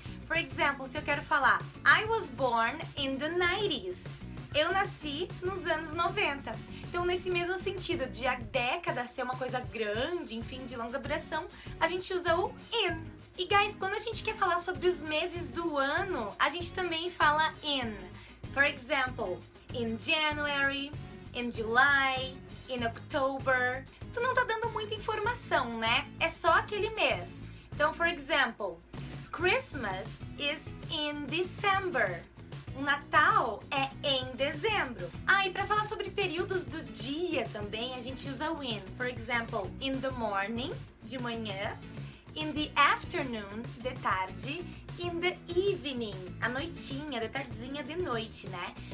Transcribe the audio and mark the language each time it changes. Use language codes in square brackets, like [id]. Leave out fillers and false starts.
[en] For example, [pt] se eu quero falar, [en] I was born in the 90s. [pt] Eu nasci nos anos 90. Então, nesse mesmo sentido de a década ser uma coisa grande, enfim, de longa duração, a gente usa o in. E, guys, quando a gente quer falar sobre os meses do ano, a gente também fala in. [en] For example, in January, in July, in October. [pt] Tu não tá dando muita informação, né? É só aquele mês. [en] Então, for example, Christmas is in December. [pt] O Natal é em dezembro. Ah, e pra falar sobre períodos do dia também, a gente usa o in. [en] For example, in the morning, [pt] de manhã. [en] In the afternoon, [pt] de tarde, [en] in the evening, [pt] a noitinha, de tardezinha, de noite, né?